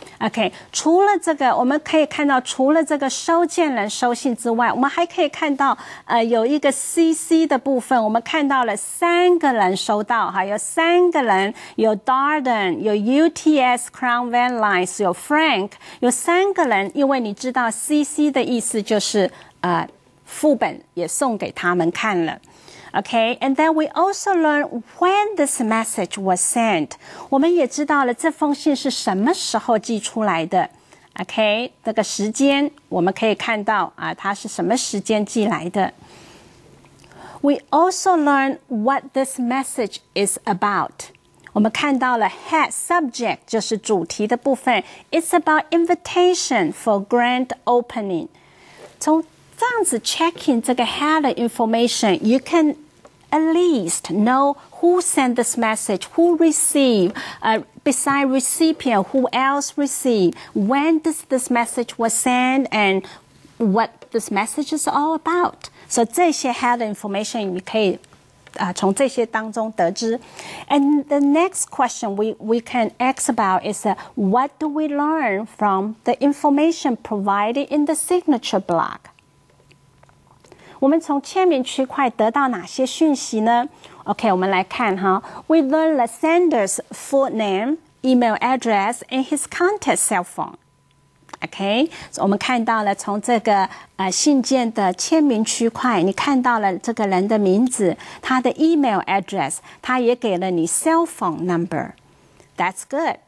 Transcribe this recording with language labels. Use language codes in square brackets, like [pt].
[zh] OK, 除了这个我们可以看到除了这个收件人收信之外我们还可以看到有一个 CC 的部分我们看到了三个人收到哈有三个人有 Darden, 有 UTS Crown Van Lines, 有 Frank, 有三个人因为你知道 CC 的意思就是副本也送给他们看了。 [en] Okay, and then we also learn when this message was sent. [zh] 我们也知道了这封信是什么时候寄出来的。 Okay, 这个时间我们可以看到它是什么时间寄来的。 [en] We also learn what this message is about. [zh] 我们看到了 head subject 就是主题的部分。 [en] It's about invitation for grand opening. [zh] 从这样子 [en] checking 这个 header information, you can at least know who sent this message, who received, beside recipient, who else received, when this message was sent, and what this message is all about. [zh] So 这些 header information, 你可以从这些当中得知。 [en] And the next question we can ask about is, what do we learn from the information provided in the signature block? [zh] 我们从签名区块得到哪些讯息呢 ？OK， 我们来看哈。 [en] We learn the sender's full name, email address, and his contact cell phone. [zh] OK， 我们看到了从这个信件的签名区块，你看到了这个人的名字，他的 email address， 他也给了你 cell phone number. [en] That's good.